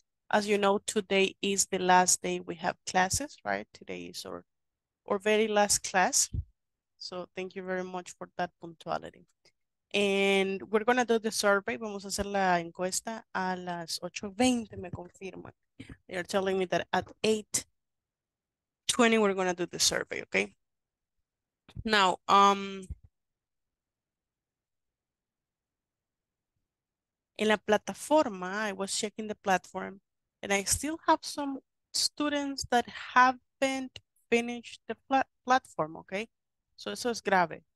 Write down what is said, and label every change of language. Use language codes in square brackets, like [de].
[en] As you know, today is the last day we have classes, right? Today is our very last class. So thank you very much for that punctuality. And we're gonna do the survey. [es] Vamos a hacer la encuesta a las 8:20, me confirman. [en] They are telling me that at 8:20 we're gonna do the survey, okay? Now, [es] en la plataforma, [en] I was checking the platform, and I still have some students that haven't finished the platform, okay? So [es] eso es grave.